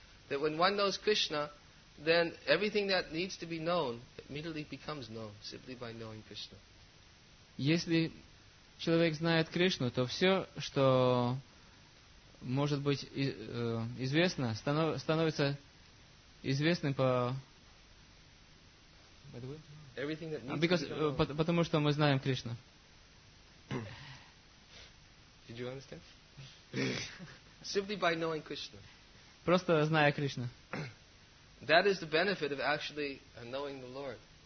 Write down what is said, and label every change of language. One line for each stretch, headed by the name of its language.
English: That when one knows Krishna, then everything that needs to be known immediately becomes known simply by knowing Krishna.
Russian: Если человек знает Кришну, то все, что может быть известно, становится известным по...
English: Everything that needs because, to be known.
Russian: Потому что мы знаем Кришну.
English: Did you understand? Simply by knowing Krishna.
Russian: Просто зная Кришну.
English: That is the benefit of actually knowing the Lord.